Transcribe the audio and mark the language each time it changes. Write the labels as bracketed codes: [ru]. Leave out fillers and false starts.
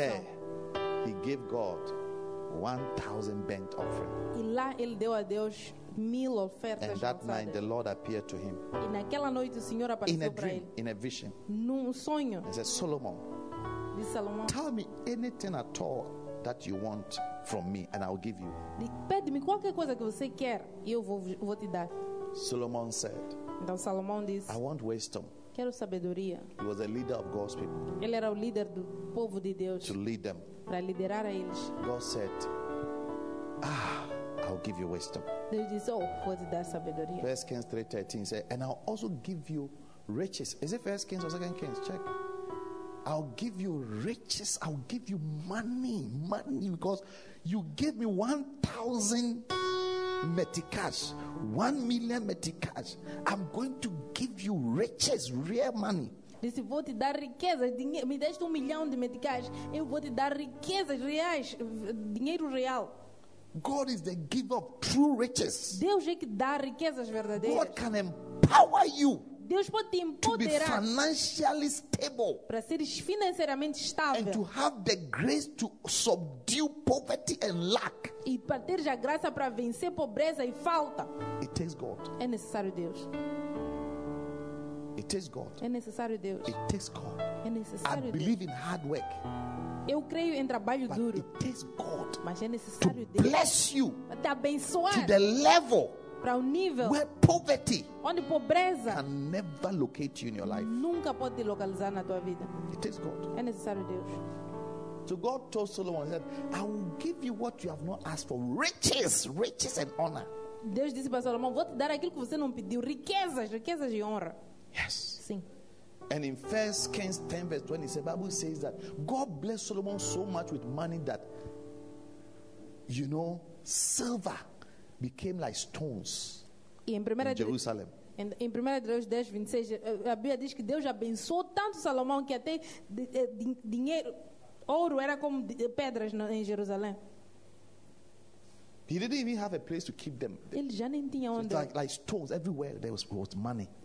[en] There, he gave God 1,000 burnt offering. [pt] E lá ele deu a Deus 1,000 ofertas [en] And [pt] alçadas. [en] And that night the Lord appeared to him. [pt] E naquela noite o Senhor apareceu [en] in a dream, [pt] para ele. [en] In a vision. [pt] Num sonho. [en] He said, Solomon. [pt] Disse Salomão. [en] Tell me anything at all that you want from me and I'll give you. [pt] Pede-me qualquer coisa que você quer e eu vou te dar. [en] Solomon said. [pt] Então Salomão disse, [en] I want wisdom. [pt] Quero sabedoria. [en] He was a leader of God's people. [pt] Ele era o líder do povo de Deus. [en] To lead them. [pt] Para liderar a eles. [en] God said, I'll give you wisdom. [pt] Deus disse, vou te dar sabedoria. [en] 1 Kings 3:13 said, and I'll also give you riches. Is it 1 Kings or 2 Kings? Check. I'll give you riches. I'll give you money, because you gave me 1,000 meticais, 1,000,000 meticais. I'm going to give you riches, real money. [pt] Disse, vou te dar riquezas, dinheiro. Me deste 1,000,000 de meticais. Eu vou te dar riquezas reais, dinheiro real. [en] God is the giver of true riches. [pt] Deus é que dá riquezas verdadeiras. [en] God can empower you. [pt] Deus pode te empoderar [en] financially stable, [pt] para seres financeiramente estável, [en] and to have the grace to subdue poverty and lack. [pt] E para ter a graça para vencer pobreza e falta. [en] It takes God. [pt] É necessário Deus. [en] It takes God. [pt] É necessário Deus. [en] It takes God. [pt] É necessário Deus. [en] I believe in hard work. [pt] Eu creio em trabalho [en] but [pt] duro. [en] It takes God. [pt] Mas é necessário [en] to [pt] Deus. [en] Bless you. [pt] Para te abençoar. [en] To the level. [pt] Para um nível [en] where poverty, [pt] onde pobreza, [en] can never locate you in your life. [pt] Nunca pode te localizar na tua vida. [en] It is God. [pt] É necessário Deus. [en] So God told Solomon, he said, I will give you what you have not asked for, riches, riches and honor. [pt] Deus disse para Salomão, vou te dar aquilo que você não pediu, riquezas, riquezas e honra. [en] Yes. [pt] Sim. [en] And in 1 Kings 10 verse 20, the Bible says that God blessed Solomon so much with money that, you know, silver became like stones in Jerusalem. [pt] Em 1 Reis 10, 26, a Bíblia diz que Deus abençoou tanto Salomão que até dinheiro, ouro era como pedras em Jerusalém. [en] He didn't even have a place to keep them. [pt] Ele já nem tinha onde. [en] Like stones, everywhere there was money.